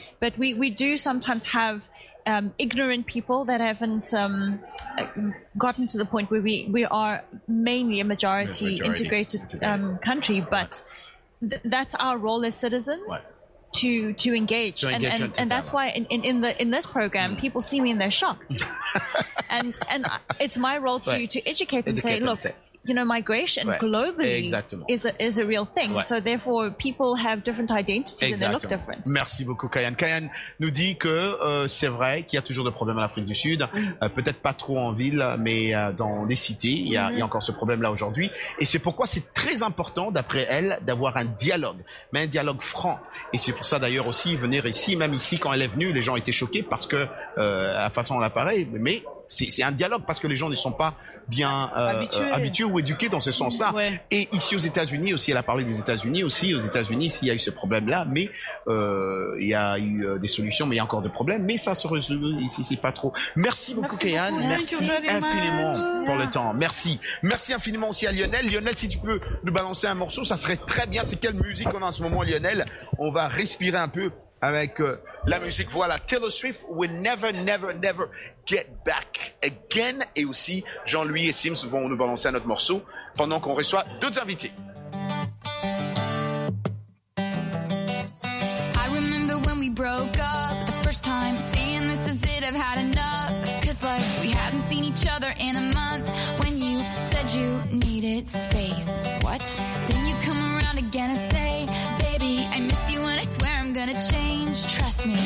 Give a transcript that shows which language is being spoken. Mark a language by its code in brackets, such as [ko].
[en] But we do sometimes have ignorant people that haven't gotten to the point where we are mainly a majority integrated country, but that's our role as citizens to engage. And that's why in this program, people see me and they're shocked. and it's my role to educate them, say, look, you know, migration globally is a real thing. Ouais. So therefore, people have different identities and they look different. [fr] Merci beaucoup, Kayane. Kayane nous dit que c'est vrai qu'il y a toujours des problèmes en Afrique du Sud. Peut-être pas trop en ville, mais dans les cités, il y a encore ce problème-là aujourd'hui. Et c'est pourquoi c'est très important, d'après elle, d'avoir un dialogue, mais un dialogue franc. Et c'est pour ça d'ailleurs aussi venir ici, même ici, quand elle est venue, les gens étaient choqués parce que la façon dont elle apparaît. Mais c'est un dialogue parce que les gens ne sont pas bien habitué ou éduqué dans ce sens-là. Ouais. Et ici aux États-Unis aussi, elle a parlé des États-Unis aussi. Aux États-Unis, s'il y a eu ce problème-là, mais il y a eu des solutions, mais il y a encore des problèmes. Mais ça se résout ici, c'est pas trop. Merci beaucoup, Kayane. Merci infiniment pour le temps. Merci. Merci infiniment aussi à Lionel. Lionel, si tu peux nous balancer un morceau, ça serait très bien. C'est quelle musique on a en ce moment, Lionel? On va respirer un peu avec la musique, voilà, Taylor Swift, We'll Never, Never, Never Get Back Again. Et aussi, Jean-Louis et Sims vont nous balancer un autre morceau pendant qu'on reçoit d'autres invités. [en] I remember when we broke up, the first time, saying this is it, I've had enough. Cause like, we hadn't seen each other in a month, when you said you needed space. What? Then you come around again and say, I miss you and I swear I'm gonna change, trust me.